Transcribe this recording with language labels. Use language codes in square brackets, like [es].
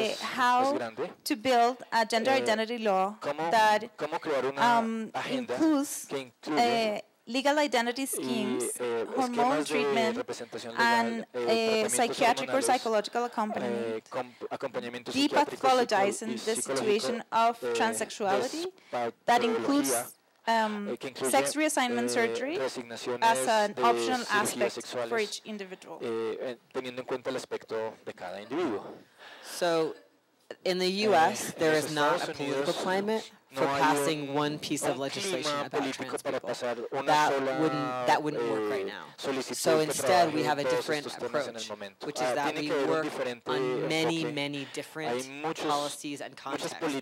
[en] How to build a gender identity law that includes legal identity schemes, hormone treatment, and a psychiatric or psychological accompaniment, depathologizing the situation of transsexuality that includes sex reassignment surgery as an optional aspect for each individual. [es] Teniendo en cuenta el aspecto de cada individuo. [en] So, in the U.S., there is not a political climate for passing one piece of legislation about trans people. That wouldn't work right now. So instead, we have a different approach, which is that we work on many, many different policies and contexts.